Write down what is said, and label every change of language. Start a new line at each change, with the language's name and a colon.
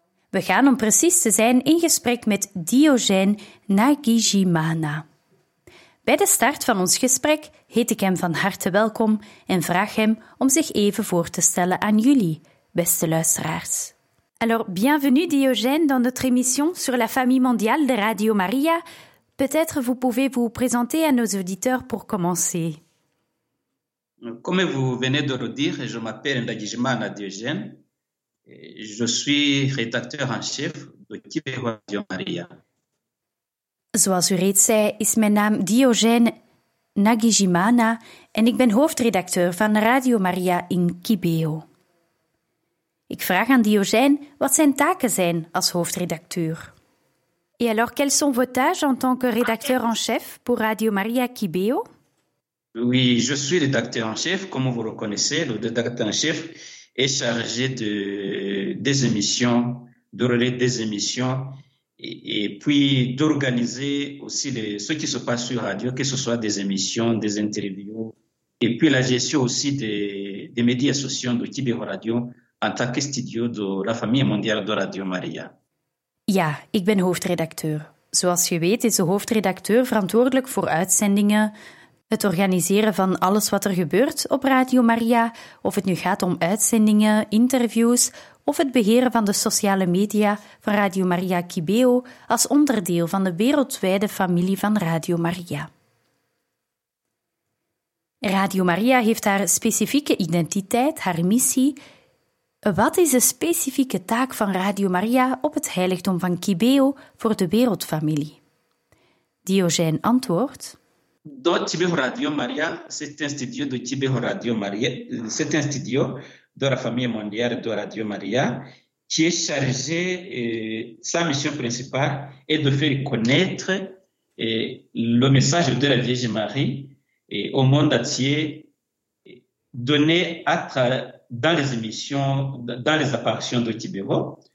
Dutch: We gaan om precies te zijn in gesprek met Diogène Nagijimana. Bij de start van ons gesprek heet ik hem van harte welkom en vraag hem om zich even voor te stellen aan jullie, beste luisteraars.
French: Alors, bienvenue Diogène dans notre émission sur la famille mondiale de Radio Maria. Peut-être vous pouvez vous présenter à nos auditeurs pour commencer. Comme vous venez de le dire, je m'appelle Nagijimana Diogène. Je suis rédacteur en chef de Kibeo Radio Maria.
Dutch: Zoals u reeds zei, is mijn naam Diogène Nagijimana en ik ben hoofdredacteur van Radio Maria in Kibeo. Ik vraag aan Diogène wat zijn taken zijn als hoofdredacteur.
French: Et alors, quelles sont vos tâches en tant que rédacteur en chef pour Radio Maria Kibeo? Oui, je suis rédacteur en chef, comme vous le connaissez. Le rédacteur en chef est chargé des émissions, de relayer des émissions et puis d'organiser aussi ce qui se passe sur radio, que ce soit des émissions, des interviews, et puis la gestion aussi des médias sociaux de Kibeo Radio en tant que studio de la famille mondiale de Radio Maria.
Dutch: Ja, ik ben hoofdredacteur. Zoals je weet is de hoofdredacteur verantwoordelijk voor uitzendingen, het organiseren van alles wat er gebeurt op Radio Maria, of het nu gaat om uitzendingen, interviews of het beheren van de sociale media van Radio Maria Kibeo als onderdeel van de wereldwijde familie van Radio Maria. Radio Maria heeft haar specifieke identiteit, haar missie. Wat is de specifieke taak van Radio Maria op het heiligdom van Kibeo voor de wereldfamilie? Diogène antwoordt.
French: Kibeo Radio Maria, c'est un studio de Kibeo Radio Maria, c'est un studio de la famille mondiale de Radio Maria, qui est chargé, sa mission principale est de faire connaître le message de la Vierge Marie au monde entier, donné à travers dans les émissions, dans les apparitions de Kibeo.